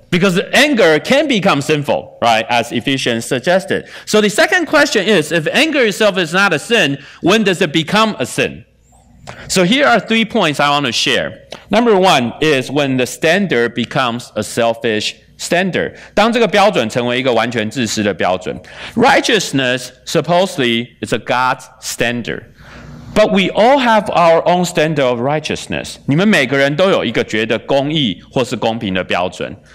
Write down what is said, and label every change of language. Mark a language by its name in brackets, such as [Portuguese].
[English] Because anger can become sinful, right, as Ephesians suggested. So the second question is, if anger itself is not a sin, when does it become a sin? So here are three points I want to share. Number one is when the standard becomes a selfish standard. [Chinese] 当这个标准成为一个完全自私的标准. [English] Righteousness, supposedly, is a God's standard. But we all have our own standard of righteousness. [Chinese] 你们每个人都有一个觉得公义或是公平的标准.